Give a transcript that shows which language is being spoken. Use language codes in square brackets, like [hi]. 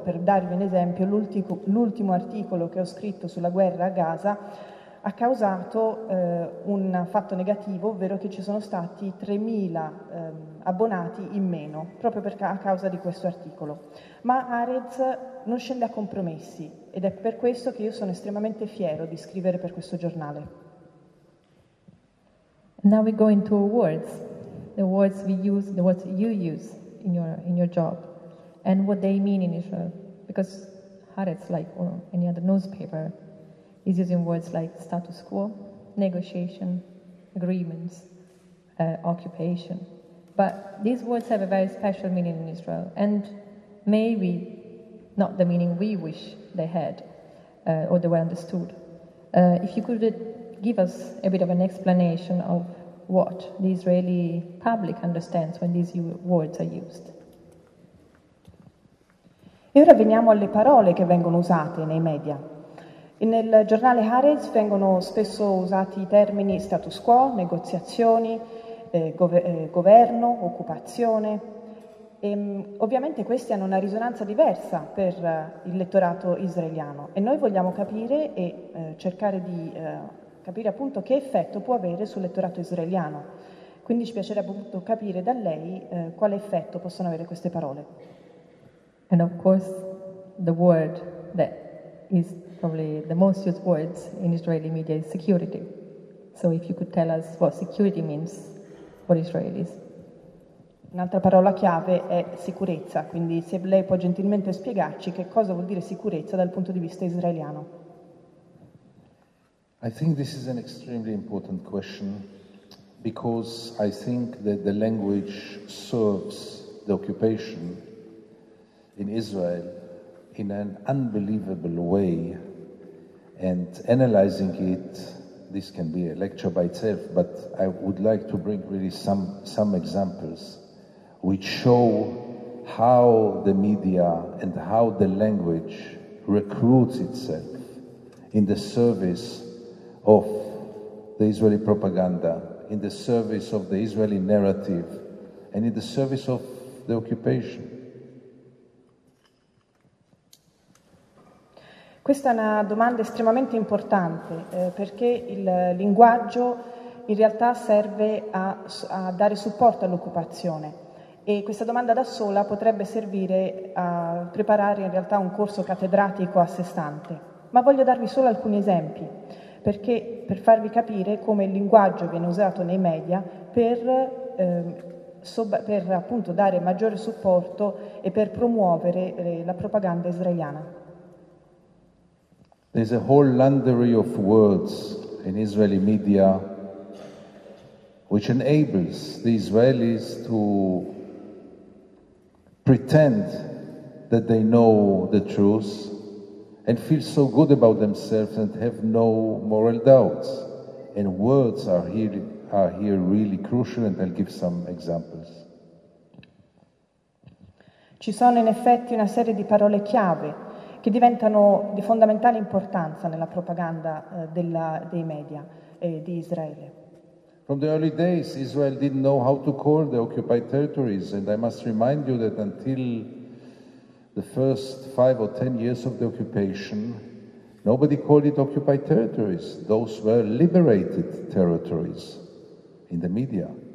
[it] Per darvi un esempio, l'ultimo articolo che ho scritto sulla guerra a Gaza ha causato un fatto negativo, ovvero che ci sono stati 3.000 abbonati in meno, proprio a causa di questo articolo. Ma Haaretz non scende a compromessi, ed è per questo che io sono estremamente fiero di scrivere per questo giornale. [en] Now we go into words, the words we use, the words you use in your job, and what they mean in Israel, because Haaretz, like any other newspaper, is using words like status quo, negotiation, agreements, occupation. But these words have a very special meaning in Israel, and maybe not the meaning we wish they had or they were understood. If you could give us a bit of an explanation of what the Israeli public understands when these words are used. [it] E ora veniamo alle parole che vengono usate nei media. Nel giornale Haaretz vengono spesso usati i termini status quo, negoziazioni, governo, occupazione. E, ovviamente questi hanno una risonanza diversa per il lettorato israeliano e noi vogliamo capire e cercare di capire appunto che effetto può avere sul lettorato israeliano. Quindi ci piacerebbe appunto capire da lei quale effetto possono avere queste parole. [en] And of course the word that is probably the most used words in Israeli media is security. So if you could tell us what security means for Israelis. [it] Un'altra parola chiave è sicurezza, quindi se lei può gentilmente spiegarci che cosa vuol dire sicurezza dal punto di vista israeliano. [en] I think this is an extremely important question because I think that the language serves the occupation in Israel in an unbelievable way, and analyzing it, this can be a lecture by itself, but I would like to bring really some examples. which show how the media and how the language recruits itself in the service of the Israeli propaganda, in the service of the Israeli narrative, and in the service of the occupation. [it] Questa è una domanda estremamente importante, perché il linguaggio in realtà serve a dare supporto all'occupazione. E questa domanda da sola potrebbe servire a preparare in realtà un corso cattedratico a sé stante. Ma voglio darvi solo alcuni esempi, perché per farvi capire come il linguaggio viene usato nei media per appunto dare maggiore supporto e per promuovere la propaganda israeliana. [en] There's a whole laundry of words in Israeli media which enables the Israelis to pretend that they know the truth and feel so good about themselves and have no moral doubts. And words are here really crucial, and I'll give some examples. [it] Ci sono in effetti una serie di parole chiave che diventano di fondamentale importanza nella propaganda dei media di Israele. [en] From the early days, Israel didn't know how to call the occupied territories, and I must remind you that until the first 5 or 10 years of the occupation, nobody called it occupied territories. Those were liberated territories in the media.